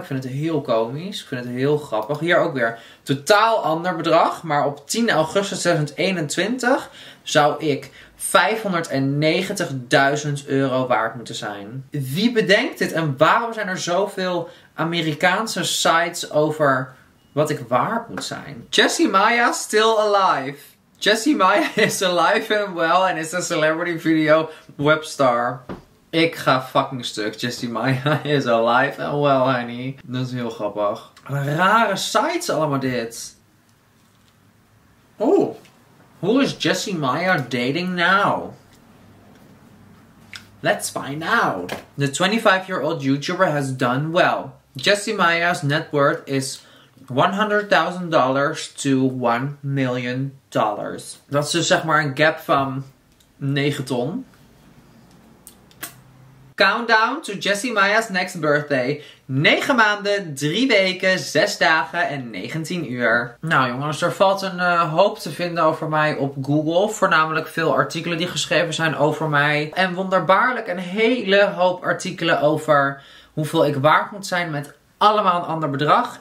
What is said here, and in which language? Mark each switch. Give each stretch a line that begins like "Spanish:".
Dutch: Ik vind het heel komisch. Ik vind het heel grappig. Hier ook weer totaal ander bedrag. Maar op 10 augustus 2021 zou ik 590.000 euro waard moeten zijn. Wie bedenkt dit? En waarom zijn er zoveel Amerikaanse sites over wat ik waard moet zijn?
English: Jessie Maya still alive. Jessie Maya is alive and well and is a celebrity video webstar.
Dutch: Ik ga fucking stuk.
English: Jessie Maya is alive and well, honey.
Dutch: Dat is heel grappig. Wat een rare sites allemaal dit. Oh.
English: Who is Jessie Maya dating now? Let's find out. The 25-year-old YouTuber has done well. Jessie Maya's net worth is $100,000 to $1 million.
Dutch: Dat is dus zeg maar een gap van 9 ton.
English: Countdown to Jessie Maya's next birthday.
Dutch: 9 maanden, 3 weken, 6 dagen en 19 uur. Nou jongens, er valt een hoop te vinden over mij op Google. Voornamelijk veel artikelen die geschreven zijn over mij. En wonderbaarlijk een hele hoop artikelen over hoeveel ik waard moet zijn met allemaal een ander bedrag.